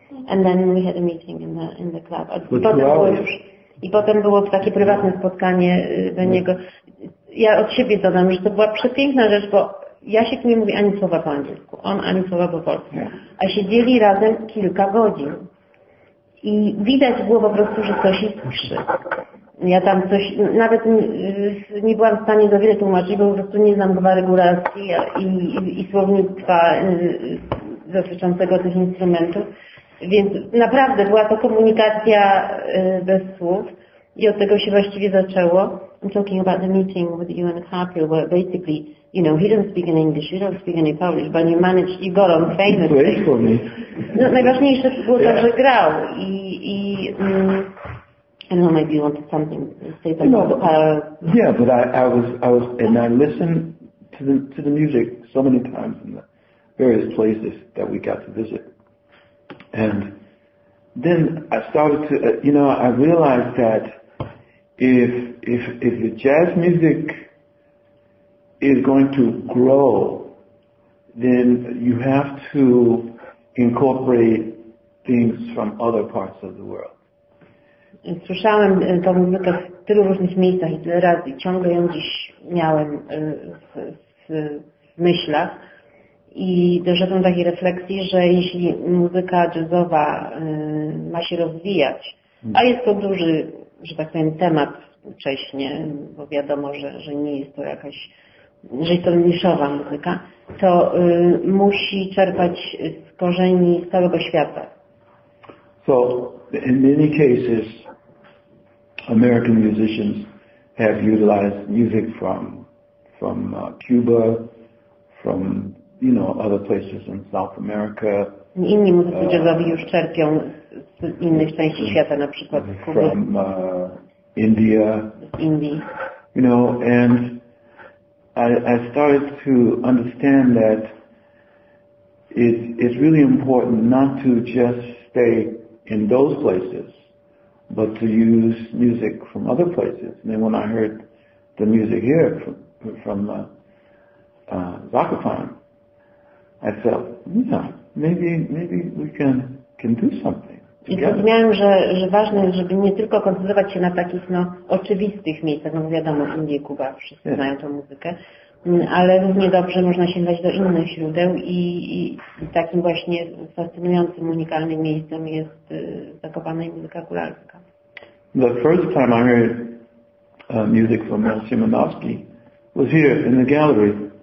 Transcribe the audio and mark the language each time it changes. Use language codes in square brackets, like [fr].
[en] And then we had a meeting in the club. For potem two hours. [pl] I potem było takie prywatne spotkanie do niego. Ja od siebie dodam, że to była przepiękna rzecz, bo Jasiek nie mówi ani słowa po angielsku, on ani słowa po polsku. [en] Yeah. [pl] A siedzieli razem kilka godzin. I widać było po prostu, że coś iskrzy. Ja tam coś, nawet nie byłam w stanie za wiele tłumaczyć, bo po prostu nie znam gwary góralskiej i słownictwa dotyczącego tych instrumentów. Więc naprawdę była to komunikacja bez słów i od tego się właściwie zaczęło. [en] I'm talking about the meeting with you and Harpiel, where basically, you know, he didn't speak in English, you don't speak any Polish, but you managed, you got on famous. [pl] No, najważniejsze było to, że grał i [en] I don't know, maybe you wanted something to say something. No, yeah, but I was and I listened to the music so many times in the various places that we got to visit. And then I started to you know, I realized that if the jazz music is going to grow, then you have to incorporate things from other parts of the world. [pl] Słyszałem tę muzykę w tylu różnych miejscach i tyle razy i ciągle ją gdzieś miałem w myślach i doszedłem do takiej refleksji, że jeśli muzyka jazzowa ma się rozwijać, a jest to duży, że tak powiem, temat wcześniej, bo wiadomo, że nie jest to jakaś, że jest to niszowa muzyka, to musi czerpać z korzeni z całego świata. [en] So, in many cases, American musicians have utilized music from Cuba, from, you know, other places in South America. [pl] Inni muzycy jazzowi już czerpią z innych części świata, na przykład z Kuby. [en] From India. [pl] Z Indii. [en] You know, and I started to understand that it's really important not to just stay in those places, but to use music from other places. And then when I heard the music here from Zakopane, I felt, yeah, maybe we can do something. [pl] I zrozumiałem, że ważne jest, żeby nie tylko koncentrować się na takich no, oczywistych miejscach, no wiadomo, Indie, Kuba, wszyscy znają tą muzykę, ale równie dobrze można sięgać do innych źródeł i takim właśnie fascynującym, unikalnym miejscem jest Zakopane i muzyka góralska. [en] The first time I heard music from Mel Szymanowski was here in the gallery.